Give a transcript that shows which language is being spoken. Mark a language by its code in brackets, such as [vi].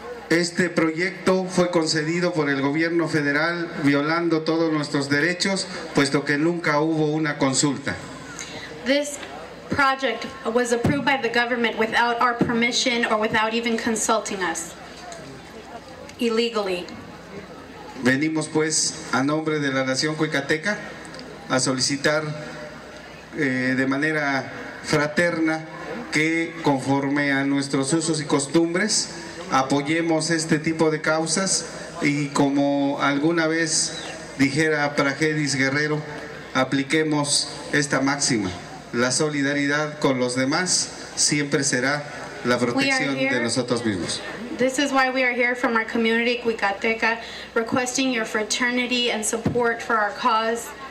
[es] Este proyecto fue concedido por el gobierno federal violando todos nuestros derechos, puesto que nunca hubo una consulta. [en] This project was approved by the government without our permission or without even consulting us illegally. [es] Venimos pues a nombre de la nación cuicateca a solicitar de manera fraterna que, conforme a nuestros usos y costumbres, apoyemos este tipo de causas, y como alguna vez dijera Pragedis Guerrero, apliquemos esta máxima: la solidaridad con los demás siempre será la protección de nosotros mismos. [en] This is why we are here from our community Cuicateca, requesting your fraternity and support for our cause,